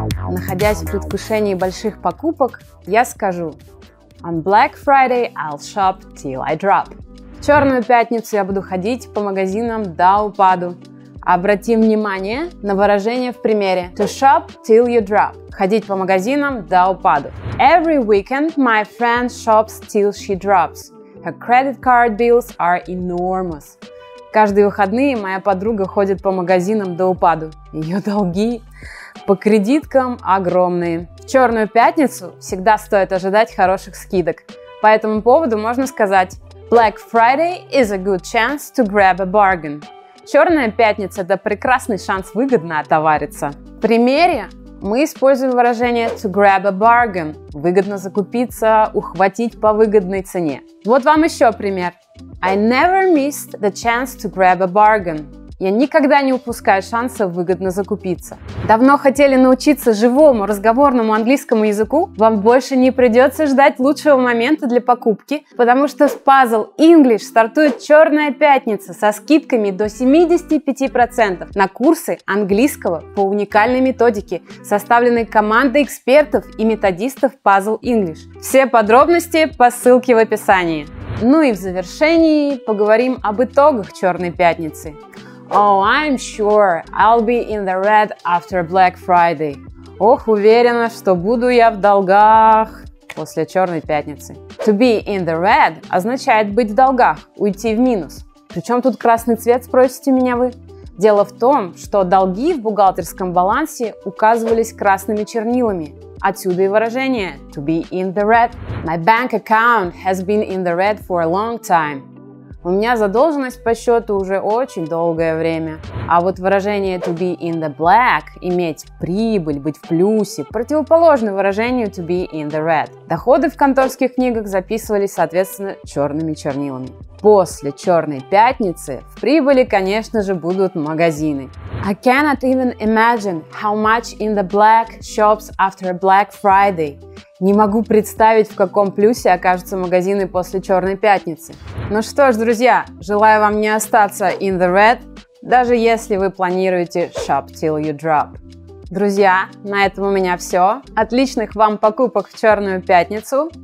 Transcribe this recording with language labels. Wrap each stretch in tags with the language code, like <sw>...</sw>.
<ru>Находясь в предвкушении больших покупок, я скажу:</ru> <en>On Black Friday I'll shop till I drop.</en> <ru>В черную пятницу я буду ходить по магазинам до упаду. Обратим внимание на выражение в примере</ru> <en>To shop till you drop.</en> <ru>Ходить по магазинам до упаду.</ru> <en>Every weekend my friend shops till she drops. Her credit card bills are enormous.</en> <ru>Каждые выходные моя подруга ходит по магазинам до упаду. Ее долги по кредиткам огромные. В черную пятницу всегда стоит ожидать хороших скидок. По этому поводу можно сказать</ru> <en>Black Friday is a good chance to grab a bargain.</en> <ru>Черная пятница – это прекрасный шанс выгодно отовариться. В примере мы используем выражение</ru> <en>to grab a bargain</en> <ru>– выгодно закупиться, ухватить по выгодной цене. Вот вам еще пример.</ru> <en>I never missed the chance to grab a bargain.</en> <ru>Я никогда не упускаю шанса выгодно закупиться. Давно хотели научиться живому разговорному английскому языку? Вам больше не придется ждать лучшего момента для покупки, потому что с Puzzle English стартует черная пятница со скидками до 75% на курсы английского по уникальной методике, составленной командой экспертов и методистов Puzzle English. Все подробности по ссылке в описании. Ну и в завершении поговорим об итогах черной пятницы.</ru> <en>Oh, I'm sure I'll be in the red after Black Friday.</en> <ru>Ох, уверена, что буду я в долгах после черной пятницы.</ru> <en>To be in the red</en> <ru>означает быть в долгах, уйти в минус. Причем тут красный цвет, спросите меня вы? Дело в том, что долги в бухгалтерском балансе указывались красными чернилами. Отсюда и выражение</ru> <en>to be in the red. My bank account has been in the red for a long time.</en> <ru>У меня задолженность по счету уже очень долгое время. А вот выражение</ru> <en>to be in the black,</en> <ru>иметь прибыль, быть в плюсе, противоположно выражению</ru> <en>to be in the red.</en> <ru>Доходы в конторских книгах записывались, соответственно, черными чернилами. После черной пятницы в прибыли, конечно же, будут магазины.</ru> <en>I cannot even imagine how much in the black shops after Black Friday.</en> <ru>Не могу представить, в каком плюсе окажутся магазины после черной пятницы. Ну что ж, друзья, желаю вам не остаться</ru> <en>in the red,</en> <ru>даже если вы планируете</ru> <en>shop till you drop.</en> <ru>Друзья, на этом у меня все. Отличных вам покупок в черную пятницу.</ru>